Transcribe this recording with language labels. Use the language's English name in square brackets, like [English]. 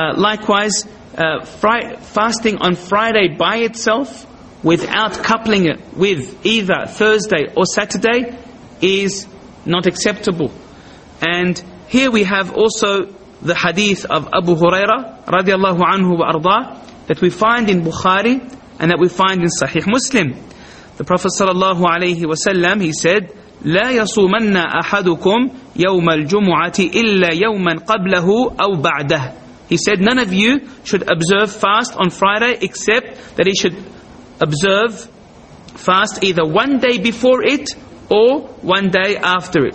[English] Likewise, fasting on Friday by itself, without coupling it with either Thursday or Saturday, is not acceptable. And here we have also the hadith of Abu Huraira radiallahu anhu wa arda, that we find in Bukhari and that we find in Sahih Muslim. The Prophet sallallahu alayhi wa sallam, he said, [Arabic] لا يصومن أحدكم يوم الجمعة إلا يوما قبله أو بعده. [English] He said, none of you should observe fast on Friday except that he should observe fast either one day before it or one day after it.